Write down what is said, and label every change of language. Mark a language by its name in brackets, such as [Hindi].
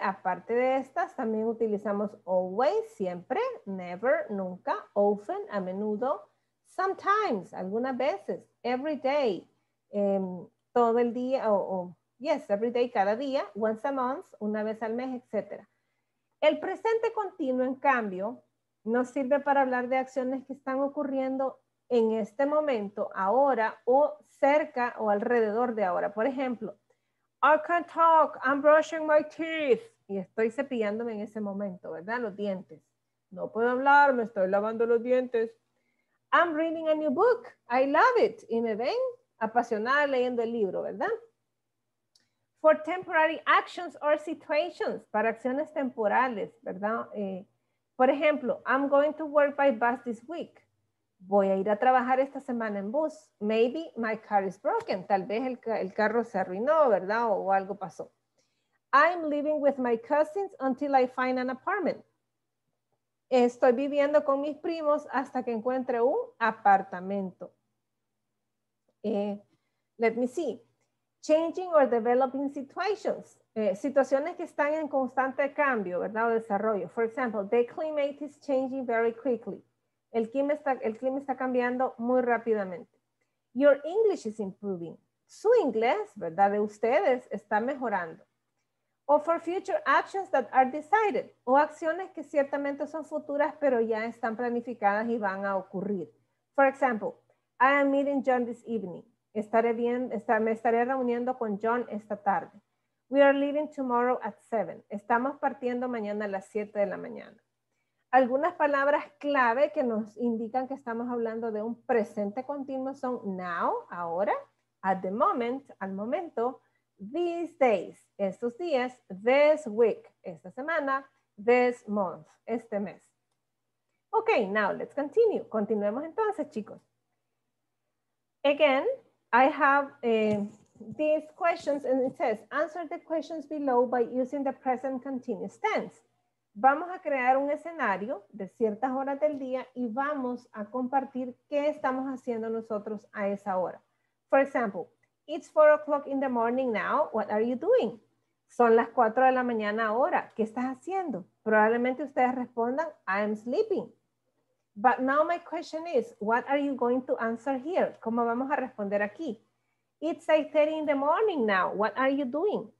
[Spanish] Aparte de estas, también utilizamos always, siempre, never, nunca, often, a menudo, sometimes, algunas veces, [English] every day, [Spanish] todo el día, yes, every day, cada día, [English] once a month, [Spanish] una vez al mes, etc. El presente continuo, en cambio, nos sirve para hablar de acciones que están ocurriendo en este momento, ahora, o cerca o alrededor de ahora. Por ejemplo, [English] I can't talk, I'm brushing my teeth. [Spanish] Y estoy cepillándome en ese momento, ¿verdad? Los dientes. No puedo hablar, me estoy lavando los dientes. [English] I'm reading a new book, I love it. [Spanish] Y me ven apasionada leyendo el libro, ¿verdad? [English] For temporary actions or situations, [Spanish] para acciones temporales, ¿verdad? Por ejemplo, [English] I'm going to work by bus this week. [Spanish] Voy a ir a trabajar esta semana en bus. [English] Maybe my car is broken. [Spanish] Tal vez el carro se arruinó, ¿verdad? O algo pasó. [English] I'm living with my cousins until I find an apartment. [Spanish] Estoy viviendo con mis primos hasta que encuentre un apartamento. [English] Let me see. Changing or developing situations. [Spanish] Situaciones que están en constante cambio, ¿verdad? O desarrollo. [English] For example, the climate is changing very quickly. [Spanish] El clima está cambiando muy rápidamente. [English] Your English is improving. [Spanish] Su inglés, ¿verdad? De ustedes está mejorando. O [English] for future actions that are decided. [Spanish] O acciones que ciertamente son futuras, pero ya están planificadas y van a ocurrir. [English] For example, I am meeting John this evening. [Spanish] Me estaré reuniendo con John esta tarde. [English] We are leaving tomorrow at 7. [Spanish] Estamos partiendo mañana a las 7 de la mañana. Algunas palabras clave que nos indican que estamos hablando de un presente continuo son now, ahora, [English] at the moment, [Spanish] al momento, [English] these days, [Spanish] estos días, [English] this week, [Spanish] esta semana, [English] this month, [Spanish] este mes. [English] Ok, now let's continue. [Spanish] Continuemos entonces, chicos. [English] Again, I have these questions and it says, answer the questions below by using the present continuous tense. [Spanish] Vamos a crear un escenario de ciertas horas del día y vamos a compartir qué estamos haciendo nosotros a esa hora. [English] For example, it's 4 o'clock in the morning now. What are you doing? [Spanish] Son las 4 de la mañana ahora. ¿Qué estás haciendo? Probablemente ustedes respondan, [English] I am sleeping. But now my question is, what are you going to answer here? [Spanish] ¿Cómo vamos a responder aquí? [English] It's 8:30 in the morning now. What are you doing?